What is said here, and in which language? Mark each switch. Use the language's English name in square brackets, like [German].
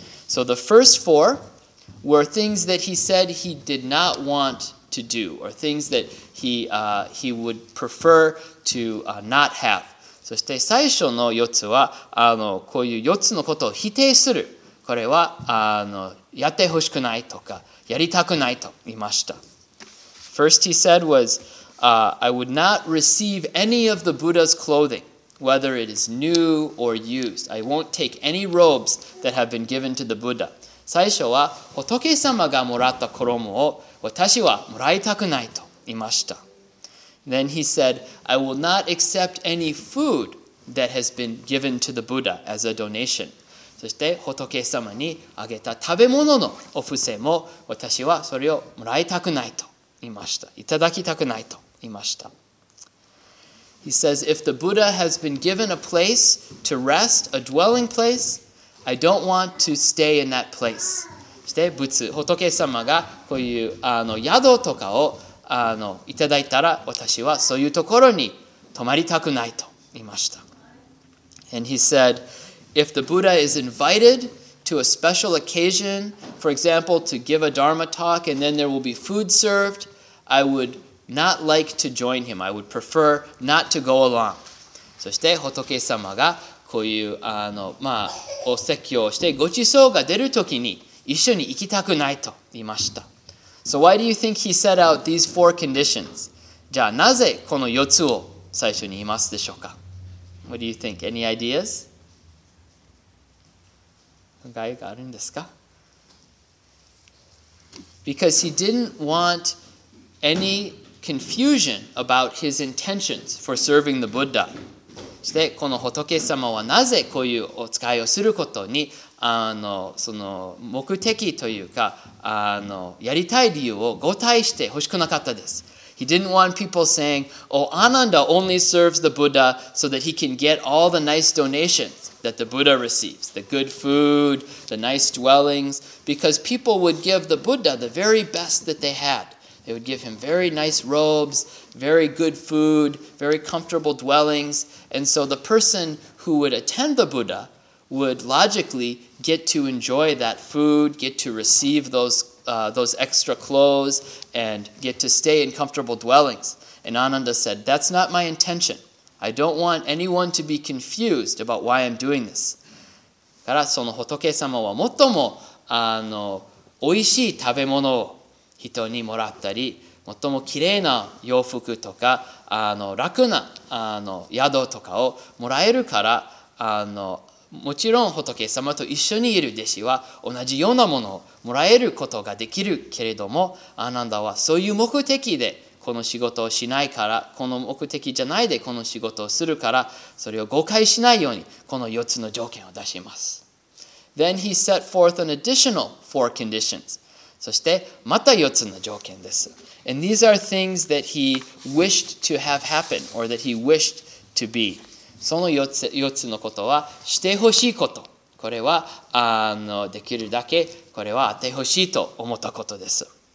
[English] So the first four were things that he said he did not want to do, or things that he would prefer to not have. [Japanese] そして最初の4つは、こういう4つのことを否定する。これは、やってほしくないとか、やりたくないと言いました。 [English] First he said was, I would not receive any of the Buddha's clothing, whether it is new or used. I won't take any robes that have been given to the Buddha. [Japanese] 最初は仏様がもらった衣を私はもらいたくないと言いました。 [English] Then he said, I will not accept any food that has been given to the Buddha as a donation. [Japanese] そして仏様にあげた食べ物のお布施も私はそれをもらいたくないと言いました。いただきたくないと言いました。 [English] He says, if the Buddha has been given a place to rest, a dwelling place, I don't want to stay in that place. [Japanese] そして仏様がこういう宿とかをいただいたら私はそういうところに泊まりたくないと言いました。 [English] And he said,If the Buddha is invited to a special occasion, for example, to give a Dharma talk, and then there will be food served, I would not like to join him. I would prefer not to go along. [Japanese] そして仏様がこういうお説教をしてご馳走が出るときに一緒に行きたくないと言いました。 [English] So why do you think he set out these four conditions? [Japanese] じゃあなぜこの四つを最初に言いますでしょうか? [English] What do you think? Any ideas? [Japanese] 害があるんですか? [English] Because he didn't want any confusion about his intentions for serving the Buddha. [Japanese] そしてこの仏様はなぜこういうお使いをすることにその目的というかやりたい理由を誤解してほしくなかったです。 [English] He didn't want people saying, Oh, Ananda only serves the Buddha so that he can get all the nice donations that the Buddha receives. The good food, the nice dwellings. Because people would give the Buddha the very best that they had. They would give him very nice robes, very good food, very comfortable dwellings. And so the person who would attend the Buddha would logically get to enjoy that food, get to receive those extra clothes, and get to stay in comfortable dwellings. And Ananda said, "That's not my intention. I don't want anyone to be confused about why I'm doing this." [Japanese] からその仏様は最も美味しい食べ物を人にもらったり、最も綺麗な洋服とか楽な宿とかをもらえるから、もちろん仏様と一緒にいる弟子は同じようなものをもらえることができるけれども、アナンダはそういう目的でこの仕事をしないから、この目的じゃないでこの仕事をするから、それを誤解しないようにこの4つの条件を出します。 [English] Then he set forth an additional four conditions. [Japanese] そしてまた4つの条件です。 [English] And these are things that he wished to have happen, or that he wished to be. [Japanese] その4つのことはしてほしいこと、これはできるだけこれはあってほしいと思ったことです。